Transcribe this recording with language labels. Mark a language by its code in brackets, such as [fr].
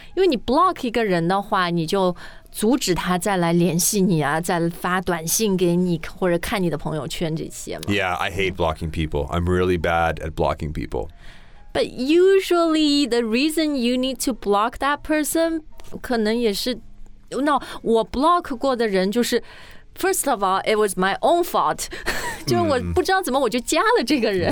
[zh] 因为你 block 一个人的话你就阻止他再来联系你啊再发短信给你或者看你的朋友圈这些嘛。 [en] Yeah, I hate blocking people. I'm really bad at blocking people. But usually the reason you need to block that person [zh] 可能也是 [en] No, [zh] 我 block 过的人就是 [en] first of all, it was my own fault. [zh] 就是我不知道怎么我就加了这个人